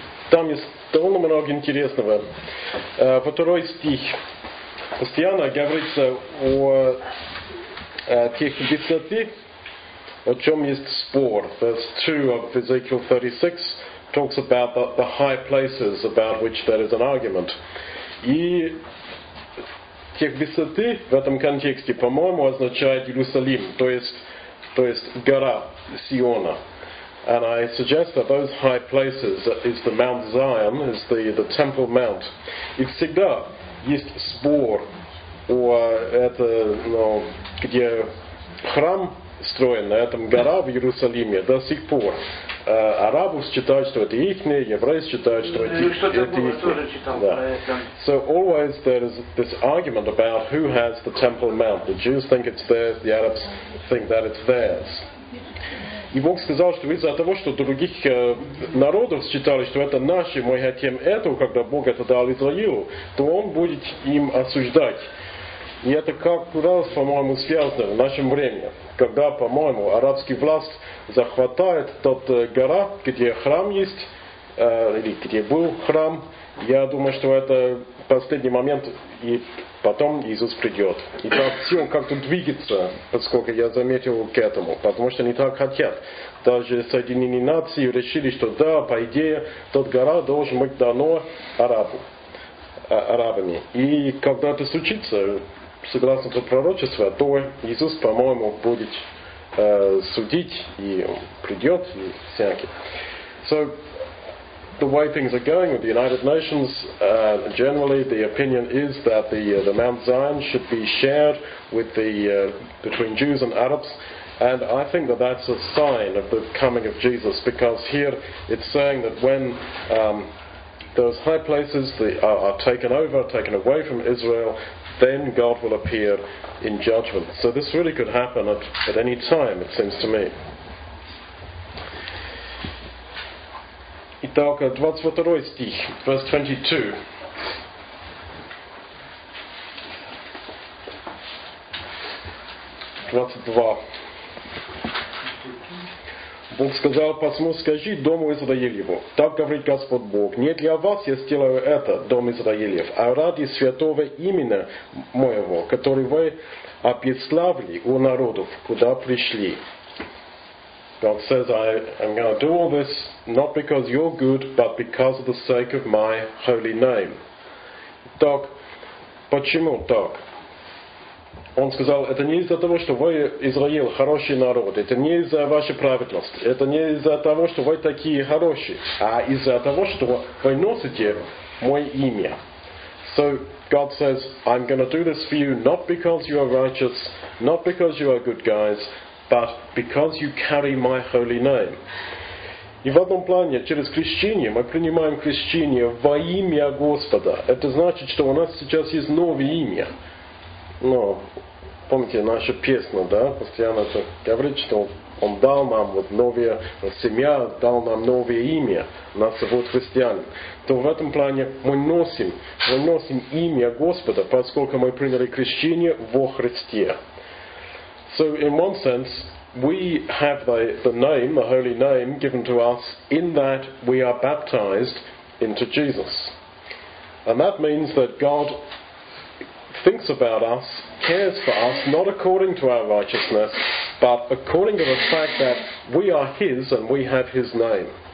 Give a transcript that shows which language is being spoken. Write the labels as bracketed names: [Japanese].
[Russian] Там есть довольно много интересного. Второй стих. Постоянно говорится о тех десяти, о чем есть спор. [English] Verse 2 of Ezekiel 36 talks about the high places about which there is an argument. [Russian] И тех десяти в этом контексте, по-моему, означает Иерусалим, то есть гора Сиона. [English] And I suggest that those high places is the Mount Zion, is the Temple Mount. [Russian] И всегда есть спор о это, ну, где храм строен, на этом гора в Иерусалиме до сих пор. Арабы считают, что это ихние, евреи считают, что это ихние. Ну, что-то тоже читал, да, про это. [English] So always there is this argument about who has the Temple Mount. The Jews think it's theirs, the Arabs think that it's theirs. [Russian] И Бог сказал, что из-за того, что других народов считали, что это наши, мы хотим этого, когда Бог это дал Израилю, то Он будет им осуждать. И это как-то раз, по-моему, связано в нашем времени, когда, по-моему, арабский власть захватает тот гора, где храм есть, или где был храм. Я думаю, что это последний момент, и потом Иисус придет. И так все как-то двигается, поскольку я заметил к этому. Потому что они так хотят. Даже Соединенные Нации решили, что да, по идее, тот гора должен быть дано арабами. И когда это случится, согласно тому пророчеству, то Иисус, по-моему, будет судить и придет, и всякий. [English] So, the way things are going with the United Nations, generally the opinion is that the Mount Zion should be shared with between Jews and Arabs, and I think that that's a sign of the coming of Jesus, because here it's saying that when those high places are taken over, taken away from Israel, then God will appear in judgment. So this really could happen at any time, it seems to me. [Russian] Итак, 22 стих, [English] verse 22. [Russian] Бог сказал посему, скажи дому Израилеву, так говорит Господь Бог, не для вас я сделаю это, дом Израилев, а ради святого имени моего, который вы обеславили у народов, куда пришли. [English] God says, I am going to do all this not because you're good, but because of the sake of my holy name. [Russian] Так, почему так? Он сказал, это не из-за того, что вы, Израиль, хороший народ. Это не из-за вашей праведности. Это не из-за того, что вы такие хорошие. А из-за того, что вы носите мое имя. [English] So, God says, I'm going to do this for you not because you are righteous, not because you are good guys, but because you carry my holy name. [Russian] И в одном плане, через крещение, мы принимаем крещение во имя Господа. Это значит, что у нас сейчас есть новое имя. Но, помните, наша песня, да, постоянно это говорит, что Он дал нам вот новое, семья дал нам новое имя, нас зовут христиан. То в этом плане мы носим имя Господа, поскольку мы приняли крещение во Христе. [English] So in one sense, we have the name, the holy name, given to us in that we are baptized into Jesus. And that means that God thinks about us, cares for us, not according to our righteousness, but according to the fact that we are His and we have His name.